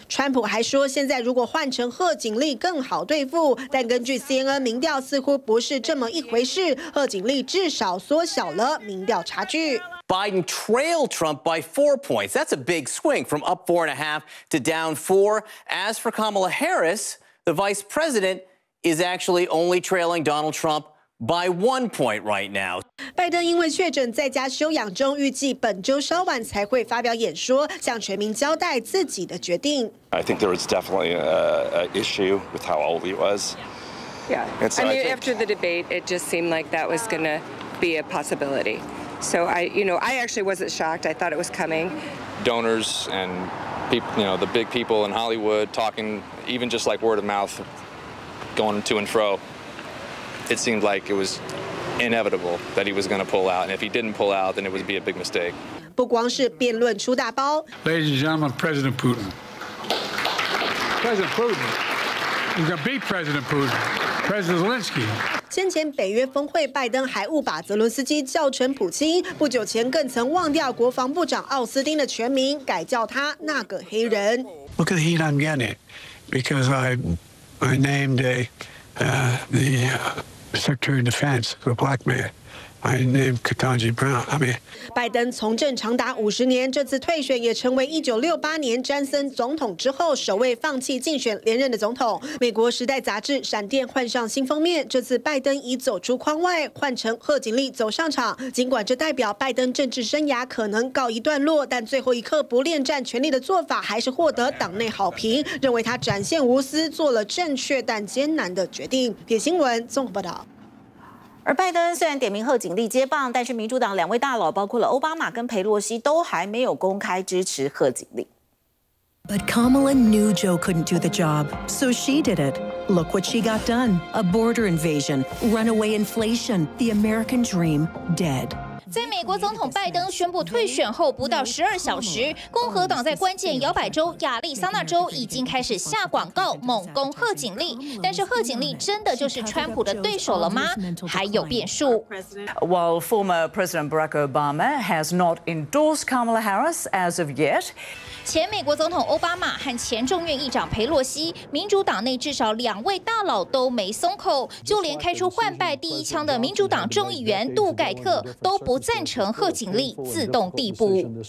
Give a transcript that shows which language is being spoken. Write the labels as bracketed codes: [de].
[zh] 川普还说现在如果换成贺锦丽更好对付，但根据 CNN 民调似乎不是这么一回事，贺锦丽至少缩小了民调差距。 [en] Biden trailed Trump by 4 points. That's a big swing from up 4.5 to down 4. As for Kamala Harris, the vice president,is actually only trailing Donald Trump by 1 point right now. [zh] 拜登因为确诊在家休养中，预计本周稍晚才会发表演说，向全民交代自己的决定。 [en] I think there was definitely an issue with how old he was. Yeah. So I mean, after the debate, it just seemed like that was going to be a possibility. So I actually wasn't shocked. I thought it was coming. Donors and people, you know, the big people in Hollywood talking, even just like word of mouth. Going to and fro, it seemed like it was inevitable that he was going to pull out. And if he didn't pull out, then it would be a big mistake. [zh] 不光是辩论出大包。 [en] Ladies and gentlemen, President Putin. President Putin. You're going to beat President Putin. President Zelensky. [zh] 先前北约峰会，拜登还误把泽伦斯基叫成普京，不久前更曾忘掉国防部长奥斯汀的全名，改叫他那个黑人。 [en] Look at the heat I'm getting, because I named the Secretary of Defense a black man. I named Ketanji Brown. I mean, [zh] 拜登从政长达五十年，这次退选也成为1968年詹森总统之后首位放弃竞选连任的总统。美国《时代》杂志《闪电》换上新封面，这次拜登已走出框外，换成贺锦丽走上场。尽管这代表拜登政治生涯可能告一段落，但最后一刻不恋战权力的做法还是获得党内好评，认为他展现无私，做了正确但艰难的决定。点新闻综合报道。而拜登虽然点名贺锦丽接棒，但是民主党两位大佬，包括了奥巴马跟佩洛西，都还没有公开支持贺锦丽。 [en] But Kamala knew Joe couldn't do the job, so she did it. Look what she got done: a border invasion, runaway inflation, the American dream dead. [zh] 在美国总统拜登宣布退选后不到十二小时，共和党在关键摇摆州亚利桑那州已经开始下广告猛攻贺锦丽。但是贺锦丽真的就是川普的对手了吗？还有变数。 [en] While former President Barack Obama has not endorsed Kamala Harris as of yet. [zh] 前美国总统奥巴马和前众院议长佩洛西，民主党内至少两位大佬都没松口，就连开出换败第一枪的民主党众议员杜盖特都不赞成贺锦丽自动递补。